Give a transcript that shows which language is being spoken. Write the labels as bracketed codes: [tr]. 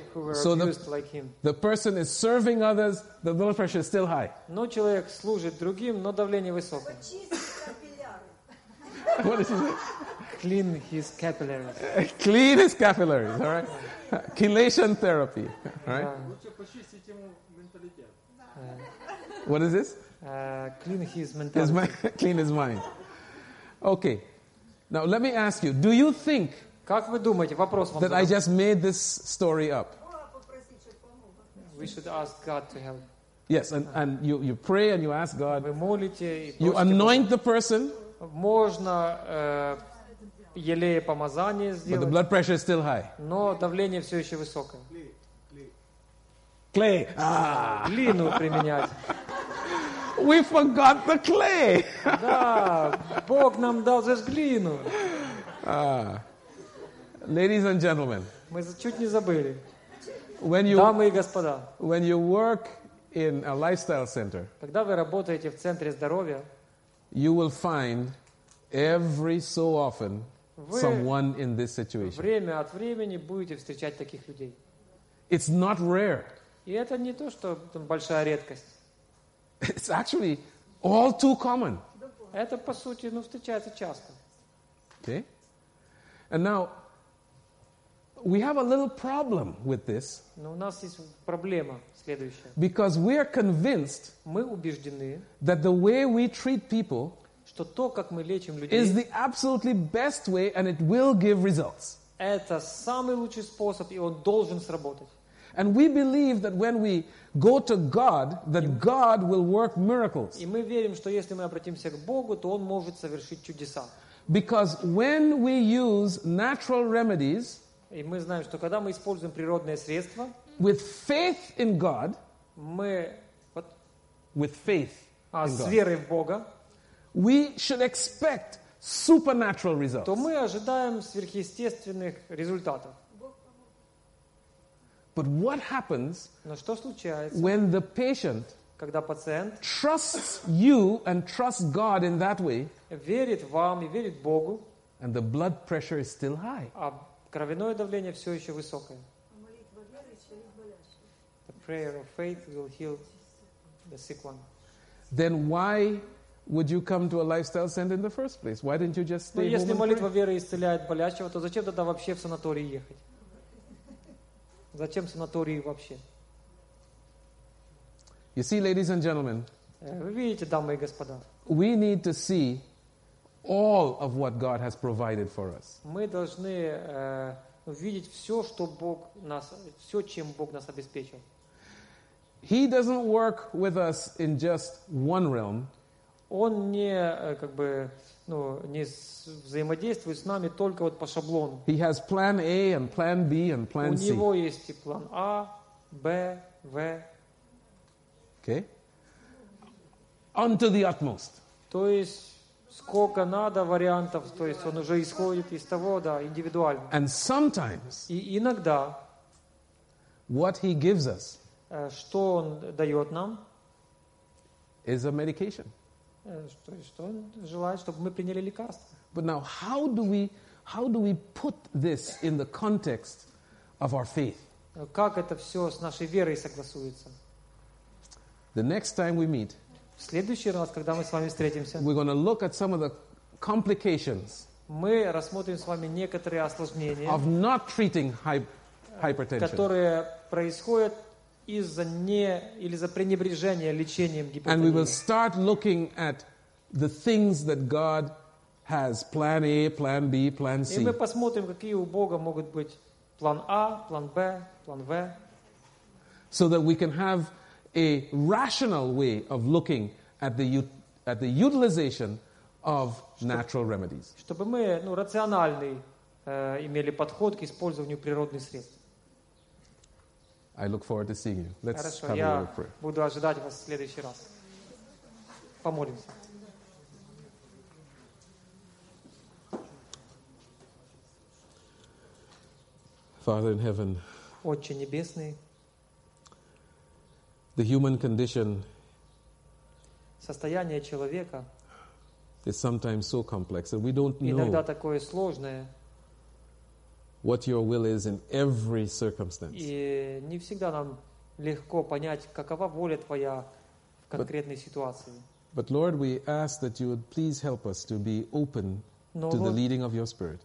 [en] Who were abused like him. The person is serving others. The blood pressure is still high. [ru] Но человек служит другим, но давление высокое. [en] What is it? Clean his capillaries. Clean his capillaries, all right? Chelation therapy, all right? What is this? Clean his mentality. Clean his mind. Okay. Now, let me ask you, do you think that I just made this story up? We should ask God to help. Yes, and you pray and you ask God. [ru] Вы молите, [en] you anoint the person. [ru] Можно елее помазание сделать. [en] But the blood pressure is still high. [ru] Но давление все еще высокое. [en] Clay. [ru] Глину применять. [en] We forgot the clay. [ru] Да, Бог нам дал же глину. [en] Ladies and gentlemen. [ru] Мы чуть не забыли. [en] When you, [ru] дамы и господа. [en] When you work in a lifestyle center. [ru] Когда вы работаете в центре здоровья. [en] You will find every so often someone in this situation. [ru] Время от времени будете встречать таких людей. [en] It's not rare. [ru] И это не то, что там большая редкость. [en] It's actually all too common. [ru] Это по сути, ну, встречается часто. [en] Okay. And now we have a little problem with this. [ru] Но у нас есть проблема следующая. [en] Because we are convinced. [ru] Мы убеждены. [en] That the way we treat people. [ru] Что то, как мы лечим людей, [en] is the absolutely best way, and it will give results. [ru] Это самый лучший способ, и он должен сработать. [en] And we believe that when we go to God, that God will work miracles. [ru] И мы верим, что если мы обратимся к Богу, то Он может совершить чудеса. [en] Because when we use natural remedies, [ru] и мы знаем, что когда мы используем природные средства, [en] with faith in God, [ru] мы, [en] what? With faith in God, [ru] с верой в Бога, [en] we should expect supernatural results. [ru] То мы ожидаем сверхъестественных результатов. [en] But what happens [ru] Но что случается, [en] when the patient [ru] когда пациент [en] trusts you and trusts God in that way, [ru] верит вам и верит Богу, [en] and the blood pressure is still high? [ru] А кровяное давление все еще высокое. [en] The prayer of faith will heal the sick one. Then why would you come to a lifestyle center in the first place? Why didn't you just stay home? [ru] Если молитва веры исцеляет болящего, то зачем тогда вообще в санаторий ехать? Зачем санатории вообще? [en] You see, ladies and gentlemen, [ru] вы видите, дамы и господа, [en] we need to see all of what God has provided for us. [ru] Мы должны видеть все, что Бог нас, все, чем Бог нас обеспечил. [en] He doesn't work with us in just one realm. [ru] Он не как бы, ну, не взаимодействует с нами только вот по шаблону. [en] He has plan A and plan B and plan C. [ru] У него есть и план А, Б, В. [en] Okay. Unto the utmost. [ru] То есть сколько надо вариантов, то есть он уже исходит из того, да, индивидуально. [en] And sometimes. [ru] И иногда. [en] What he gives us. [ru] Что он дает нам? [en] Is a medication. [ru] Что он желает, чтобы мы приняли лекарство. [en] But now, how do we put this in the context of our faith? [ru] Как это все с нашей верой согласуется? [en] The next time we meet, [ru] в следующий раз, когда мы с вами встретимся, [en] we're going to look at some of the complications. [ru] Мы рассмотрим с вами некоторые осложнения, [en] of not treating hypertension, [ru] которые происходят из-за не или за пренебрежения лечением гипертонии. [en] And we will start looking at the things that God has: plan A, plan B, plan C. [ru] И мы посмотрим, какие у Бога могут быть план А, план Б, план В. [en] So that we can have a rational way of looking at the utilization of natural remedies. [ru] Чтобы мы, ну, рациональный имели подход к использованию природных средств. [en] I look forward to seeing you. Let's [ru] Хорошо, [en] have [ru] я [en] a little prayer. [ru] Буду ожидать вас в следующий раз. Помолимся. [en] Father in heaven. [ru] Отче небесный. [en] The human condition, [ru] состояние человека, [en] is sometimes so complex that we don't [ru] иногда [en] know [ru] такое сложное, [en] what your will is in every circumstance. [ru] И не всегда нам легко понять, какова воля твоя в конкретной ситуации. [en] But Lord, we ask that you would please help us to be open to the leading of your Spirit.